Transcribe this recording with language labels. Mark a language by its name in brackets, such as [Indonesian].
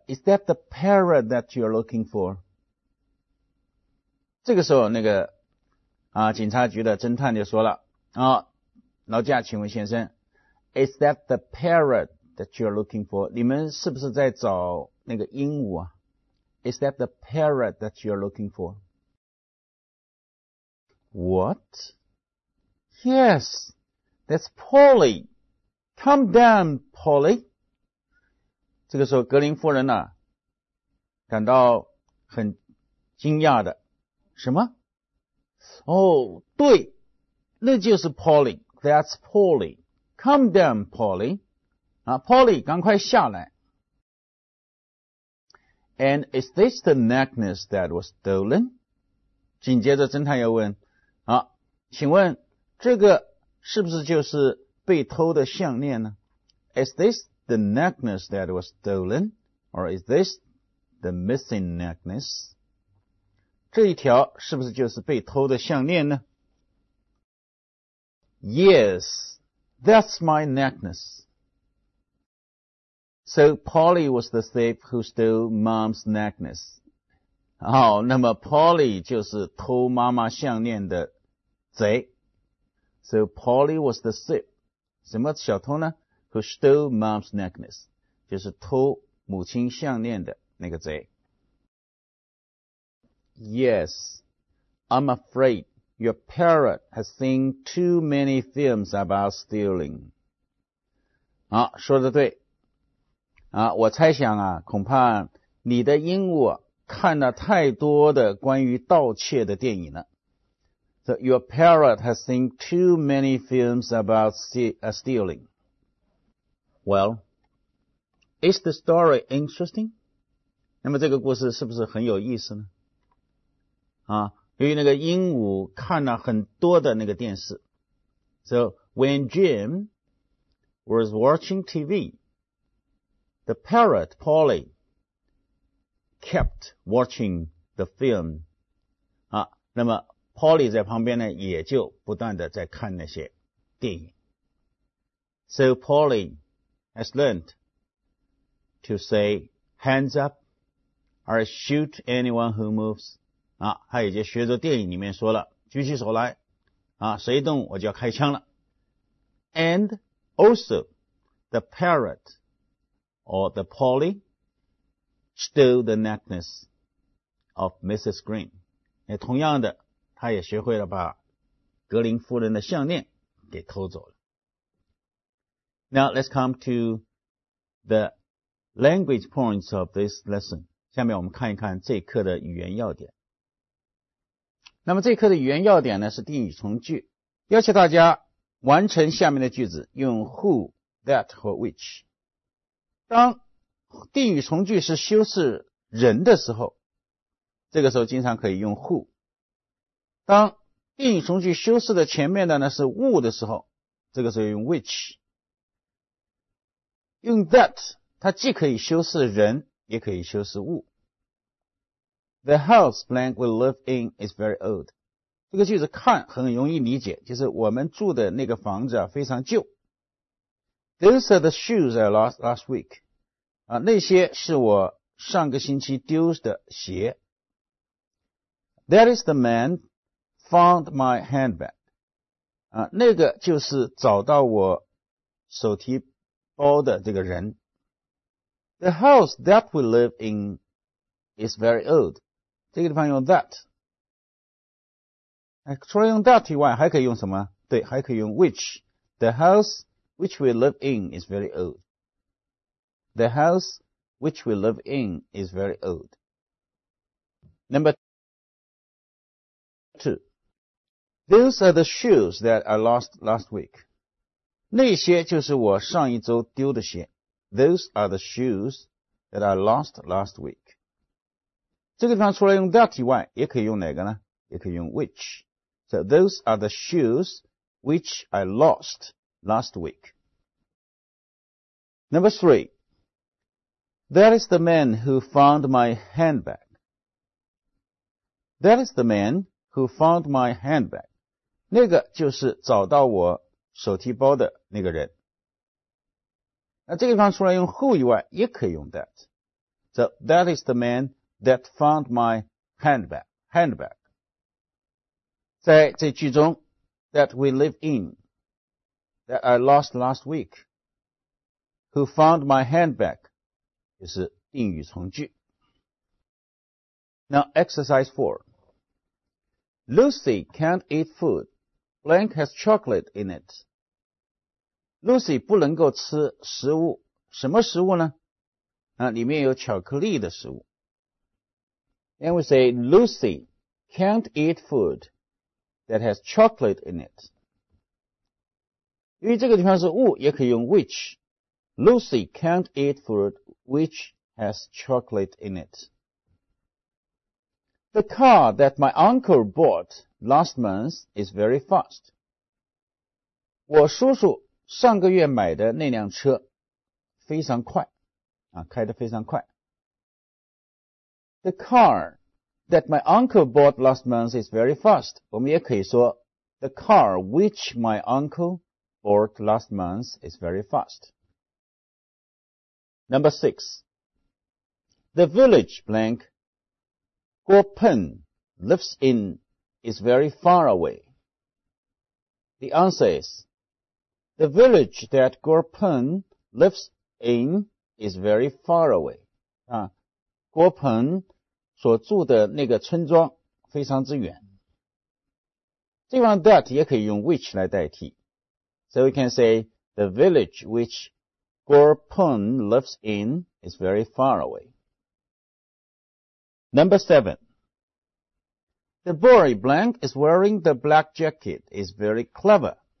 [English] Is that the parrot that you're looking for? [Chinese] 这个时候，那个啊，警察局的侦探就说了：“啊，劳驾，请问先生 [English] ，Is that the parrot that you're looking for? [Chinese] 你们是不是在找？” 那个鹦鹉啊 [English] ，Is that the parrot that you're looking for? What? Yes, that's Polly. Come down, Polly. [Chinese] 这个时候，格林夫人呢，感到很惊讶的，什么？哦，对，那就是 Polly. [English] That's Polly. Come down, Polly. [Chinese] 啊 ，Polly， 赶快下来。 [English] And is this the necklace that was stolen? [Chinese] 紧接着侦探又问，啊，请问这个是不是就是被偷的项链呢？ [English] Is this the necklace that was stolen? Or is this the missing necklace? [Chinese] 这一条是不是就是被偷的项链呢？ [English] Yes, that's my necklace. So Polly was the thief who stole Mom's necklace. [Chinese] 好，那么 Polly 就是偷妈妈项链的贼。 [English] So Polly was the thief. [Chinese] 什么小偷呢？ [English] Who stole Mom's necklace. [Chinese] 就是偷母亲项链的那个贼。 [English] Yes, I'm afraid your parrot has seen too many films about stealing. [Chinese] 好，说的对。啊，我猜想啊，恐怕你的鹦鹉看了太多的关于盗窃的电影了。 [English] So your parrot has seen too many films about stealing. Well, is the story interesting? [Chinese] 那么这个故事是不是很有意思呢？啊，由于那个鹦鹉看了很多的那个电视。 [English] So when Jim was watching TV,The parrot, Polly, kept watching the film. [Chinese] 啊，那么 Polly 在旁边呢，也就不断的在看那些电影。 [English] So Polly has learned to say, hands up, or shoot anyone who moves. [Chinese] 啊，他已经学着电影里面说了，举起手来，啊，谁动我就要开枪了。 [English] And also, the parrot,Or the Polly stole the necklace of Mrs. Green. [Chinese] 也同样的，他也学会了把格林夫人的项链给偷走了。 [English] Now let's come to the language points of this lesson. [Chinese] 下面我们看一看这一课的语言要点。那么这一课的语言要点呢是定语从句，要求大家完成下面的句子，用 who, that 和 which。当定语从句是修饰人的时候，这个时候经常可以用 who。当定语从句修饰的前面的呢是 who 的时候，这个时候用 which。用 that 它既可以修饰人也可以修饰物。 [English] The house blank we live in is very old。 [Chinese] 这个句子看很容易理解，就是我们住的那个房子啊非常旧。 [English] Those are the shoes I lost last week。 [Chinese] 啊，那些是我上个星期丢的鞋。 [English] That is the man found my handbag。 [Chinese] 啊，那个就是找到我手提包的这个人。 [English] The house that we live in is very old。 [Chinese] 这个地方用 that。除了用 that 以外还可以用什么？对，还可以用 which。 [English] The house which we live in is very old。 The house which we live in is very old。 Number two。 Those are the shoes that I lost last week。 [Chinese] 那些就是我上一周丢的鞋。 [English] Those are the shoes that I lost last week。 [Chinese] 这个地方除了用 that 以外也可以用哪个呢？也可以用 which。 [English] So those are the shoes which I lost last week。 Number three。 That is the man who found my handbag。 That is the man who found my handbag。 [Chinese] 那个就是找到我手提包的那个人。那这个地方除了用 who 以外也可以用 that。 [English] So that is the man that found my handbag。 [Chinese] 在这句中 [English] that we live in, that I lost last week, who found my handbag, [Chinese] 就是定语从句。 [English] Now exercise 4。 Lucy can't eat food, blank has chocolate in it。 [Chinese] Lucy 不能够吃食物，什么食物呢？啊，里面有巧克力的食物。 [English] And we say Lucy can't eat food that has chocolate in it。 [Chinese] 因为这个地方是物，也可以用 which。 [English] Lucy can't eat food which has chocolate in it。 The car that my uncle bought last month is very fast。 [Chinese] 我叔叔上个月买的那辆车非常快，啊，开得非常快。 [English] The car that my uncle bought last month is very fast。 [Chinese] 我们也可以说 [English] The car which my uncle bought last month is very fast。 Number six。 The village blank Guo Pen lives in is very far away。 The answer is,The village that Guo Pen lives in is very far away。 [Chinese] 啊，郭鹏所住的那个村庄非常之远。这方 that 也可以用 which 来代替。 [English] So we can say, the village which Guo Pen lives in is very far away。 Number seven. The boy blank is wearing the black jacket is very clever。